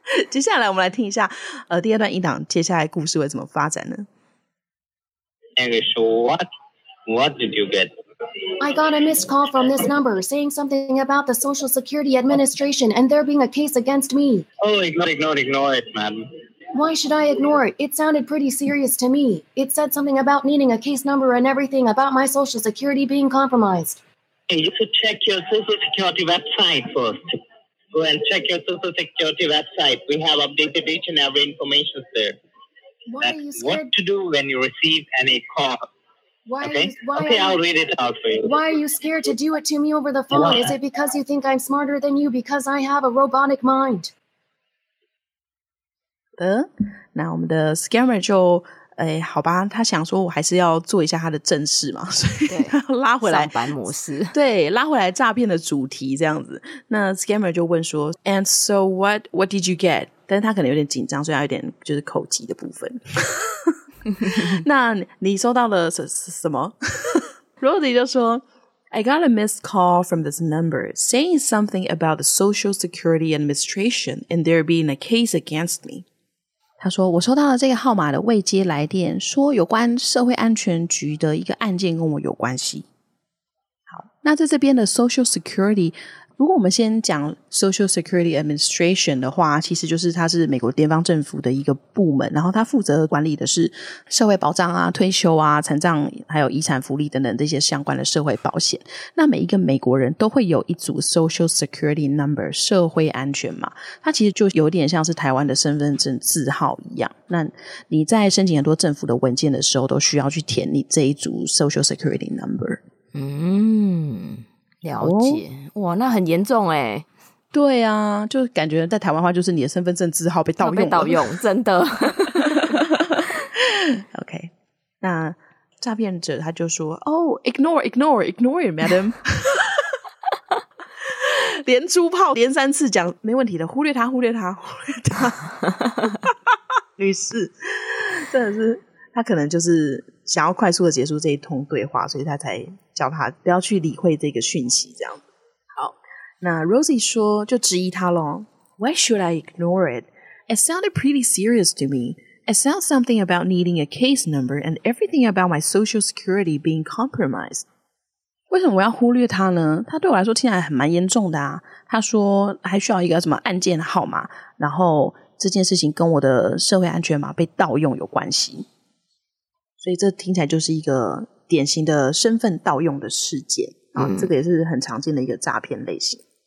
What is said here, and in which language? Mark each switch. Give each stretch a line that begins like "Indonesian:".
Chinese: 接下来我们来听一下第二段音档接下来故事会怎么发展呢。
English: English, what did you get? I got a missed call from this number saying something about the Social Security Administration and there being a case against me. Oh, ignore it, man. Why should I ignore it? It sounded pretty serious to me. It said something about needing a case number and everything about my Social Security being compromised. Hey, you should check your Social Security website first. Go and check your Social Security website. We have updated each and every information there. Why are you scared? What to do when you receive any call? Why are you scared to do it to me over the phone? Is it because you think I'm smarter than you because I have a robotic mind?
Chinese: 那我们的 scammer 就哎，好吧，他想说我还是要做一下他的正事嘛，所以他拉回来上班模式，对，拉回来诈骗的主题这样子。那 scammer 就问说
English: And so what did you get?
Chinese: 但是他可能有点紧张，所以他有点就是口急的部分。那你收到了什么？ Rosie 就说
English: I got a missed call from this number saying something about the Social Security Administration and there being a case against me.
Chinese: 他说我收到了这个号码的未接来电，说有关社会安全局的一个案件跟我有关系。好，那在这边的 Social Security， 如果我们先讲 Social Security Administration 的话，其实就是它是美国联邦政府的一个部门，然后它负责管理的是社会保障啊、退休啊、残障还有遗产福利等等这些相关的社会保险。那每一个美国人都会有一组 Social Security Number 社会安全码，它其实就有点像是台湾的身份证字号一样。那你在申请很多政府的文件的时候都需要去填你这一组 Social Security Number。嗯，了解、哦、哇，那很严重欸。对啊，就感觉在台湾话就是你的身份证字号被盗用了，被盗用，真的。
English: OK，
Chinese: 那诈骗者他就说
English: Oh, ignore, ignore, ignore it, madam.
Chinese: 连珠炮连三次讲没问题的，忽略他，忽略他，忽略他。女士真的是，他可能就是想要快速的结束这一通对话，所以他才叫他不要去理会这个讯息这样。好，那 Rosie 说就质疑他咯，
English: Why should I ignore it? It sounded pretty serious to me. It sounds something about needing a case number and everything about my social security being compromised.
Chinese: 为什么我要忽略他呢？他对我来说听起来很蛮严重的啊。他说还需要一个什么案件号码，然后这件事情跟我的社会安全码被盗用有关系，所以这听起来就是一个典型的身份盗用的事件、这个也是很常见的一个诈骗类型。